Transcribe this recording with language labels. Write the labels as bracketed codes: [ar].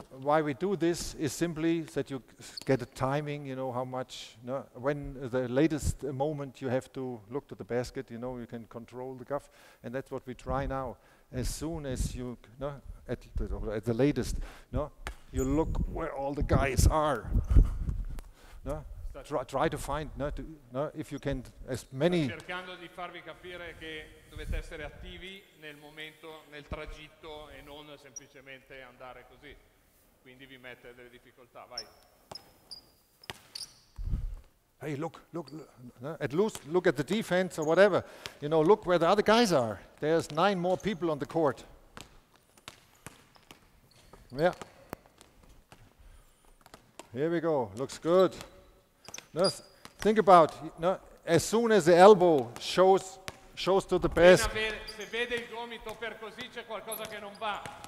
[en] Why we do this is simply that you get a timing, you know, how much, you know, when the latest moment you have to look to the basket, you know, you can control the cuff, and that's what we try now. As soon as you, you know, at the latest, you know, you look where all the guys are. No? Try to find, no, to, no, if you can, as many. [it] Sto cercando di farvi capire che dovete essere attivi nel momento, nel tragitto, e non semplicemente andare così. Quindi vi mette delle difficoltà. Vai. [en] Hey, look, no, at least look at the defense or whatever. You know, look where the other guys are. There's 9 more people on the court. Yeah. Here we go. Looks good. No, think about, no, as soon as the elbow shows to the best. [it] Se vede il gomito per così, c'è qualcosa che non va.